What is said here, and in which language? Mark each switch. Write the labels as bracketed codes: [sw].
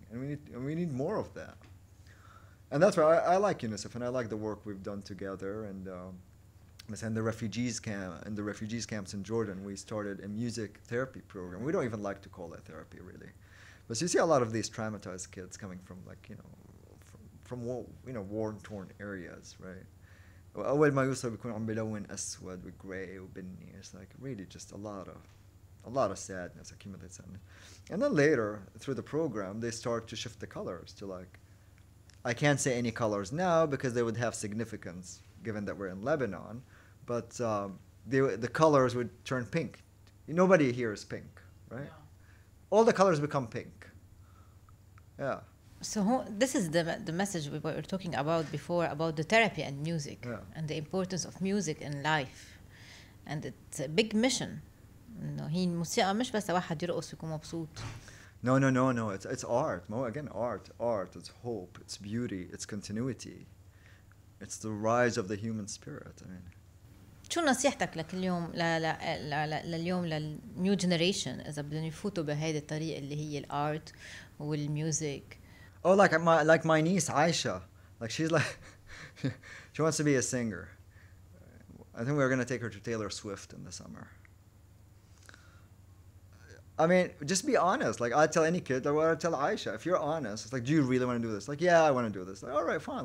[en] And we need more of that. And that's why I like UNICEF, and I like the work we've done together. And in the refugees camps in Jordan, we started a music therapy program. We don't even like to call it therapy, really. But so you see a lot of these traumatized kids coming from, like, you know, from war-torn areas, right? [ar] أول ما يوصل بيكون عم بلون أسود وغراي وبني. [en] It's like really just a lot of sadness accumulates. And then later, through the program, they start to shift the colors to, like, I can't say any colors now because they would have significance given that we're in Lebanon, but the colors would turn pink. Nobody here is pink, right? Yeah. All the colors become pink. Yeah. So this is the message we were talking about before, about the therapy and music, yeah, and the importance of music in life. And it's a big mission. No, [ar] هي الموسيقى مش بس واحد يرقص ويكون مبسوط. [en] No. It's art. Again, art. Art is hope. It's beauty. It's continuity. It's the rise of the human spirit. I mean. [ar] شو نصيحتك لك اليوم لليوم [en] للنيو جينيريشن [ar] إذا بدهم يفوتوا بهذه الطريقة اللي هي [en] الارت والميوزيك؟ Oh, like my niece Aisha, like she's like she wants to be a singer. I think we're gonna take her to Taylor Swift in the summer. I mean, just be honest. Like, I tell any kid, like, what I tell Aisha, if you're honest, it's like, do you really want to do this? Like, yeah, I want to do this. Like, all right, fine.